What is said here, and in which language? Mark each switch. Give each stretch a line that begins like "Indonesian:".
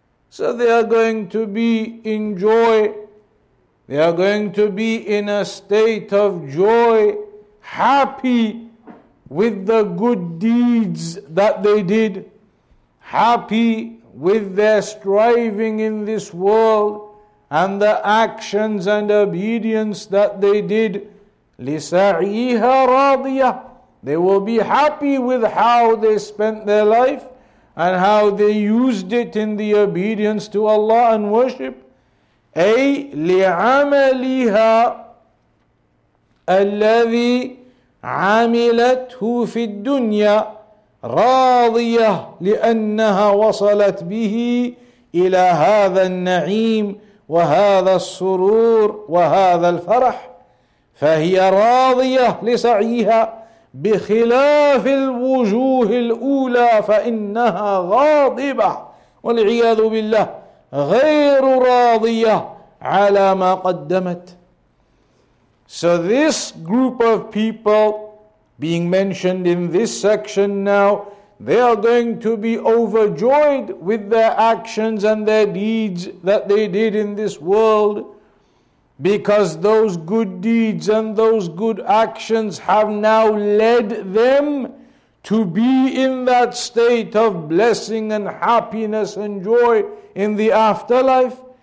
English: So they are going to be in joy. They are going to be in a state of joy, happy with the good deeds that they did, happy with their striving in this world and the actions and obedience that they did.
Arabic: لِسَعِيهَا رَاضِيَةً.
English: They will be happy with how they spent their life and how they used it in the obedience to Allah and worship.
Arabic: أي لِعَمَلِهَا الَّذِي عملته في الدنيا راضية لأنها وصلت به إلى هذا النعيم وهذا السرور وهذا الفرح فهي راضية لسعيها بخلاف الوجوه الأولى فإنها غاضبة والعياذ بالله غير راضية على ما قدمت.
English: So this group of people being mentioned in this section now, they are going to be overjoyed with their actions and their deeds that they did in this world, because those good deeds and those good actions have now led them to be in that state of blessing and happiness and joy in the afterlife.